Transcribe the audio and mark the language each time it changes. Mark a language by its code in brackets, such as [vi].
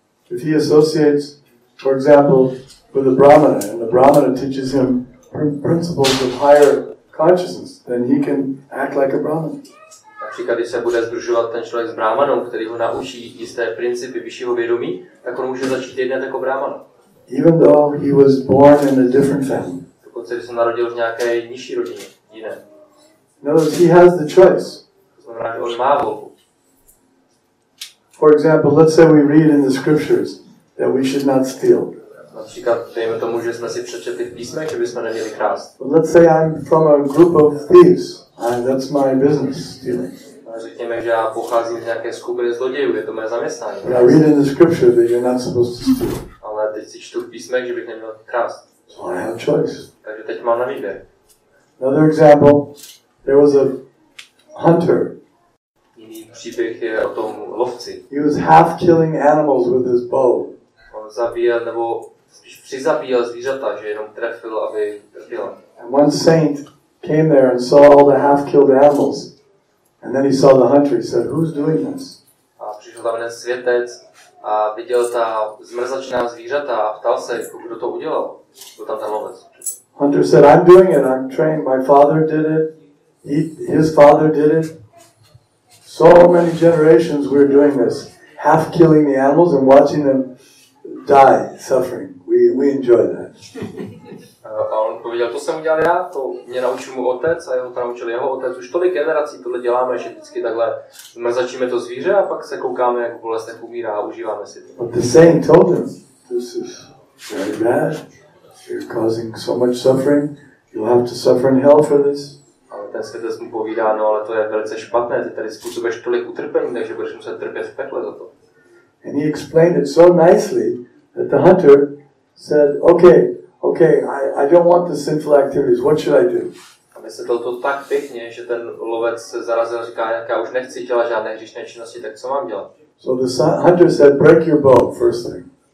[en] If he associates, for example, with a brahmana, and the brahmana teaches him principles of higher consciousness, then he can act like a brahmana. [cs] Například, když se bude sdružovat ten člověk s brahmanou, který ho naučí jisté principy vyššího vědomí, tak on může začít jednat jako brahmana. [en] Even though he was born in a different family. [cs] Dokonce, když se narodil v nějaké nižší rodině, jiné. [en] No, he has the choice. [cs] To znamená, že on má volbu. [en] For example, let's say we read in the scriptures that we should not steal. [cs] Například, dejme tomu, že jsme si přečetli v písmech, že bychom neměli krást. [en] But let's say I'm from a group of thieves, and that's my business, stealing. [cs] Řekněme, že já pocházím z nějaké skupiny zlodějů, je to moje zaměstnání. [en] But I read in the scripture that you're not supposed to steal. [cs] Ale teď si čtu v písmech, že bych neměl krást. [en] So I have choice. [cs] Takže teď mám na výběr. [en] Another example, there was a hunter. [cs] Jiný příběh je o tom lovci. [en] He was half killing animals with his bow. [cs] On zabíjel, nebo spíš přizabíjel zvířata, že jenom trefil, aby trpěla. [en] And one saint came there and saw all the half-killed animals. And then he saw the hunter, he said, who's doing this? [cs] A přišel tam jeden světec a viděl ta zmrzačná zvířata a ptal se, kdo to udělal. Byl tam ten lovec. [en] Hunter said, I'm doing it, I'm trained, my father did it. His father did it. So many generations we're doing this, half killing the animals and watching them die, suffering. We enjoy that. [cs] A on povídal, to jsem udělal já, to mě naučil mu otec a jeho naučil jeho otec. Už tolik generací tohle děláme, že vždycky takhle zmrzačíme to zvíře a pak se koukáme, jak bolestech umírá a užíváme si to. [en] But the saint told him, this is very bad. You're causing so much suffering. You'll have to suffer in hell for this. [cs] Ten světec mu povídá, no ale to je velice špatné, ty tady způsobuješ tolik utrpení, takže budeš muset trpět v pekle za to. [en] And he explained it so nicely that the hunter said, okay, I don't want the sinful activities, what should I do? [cs] A vysvětlil to tak pěkně, že ten lovec se zarazil a říká, já už nechci dělat žádné hříšné činnosti, tak co mám dělat? [en] So the hunter said, break your bow, first thing.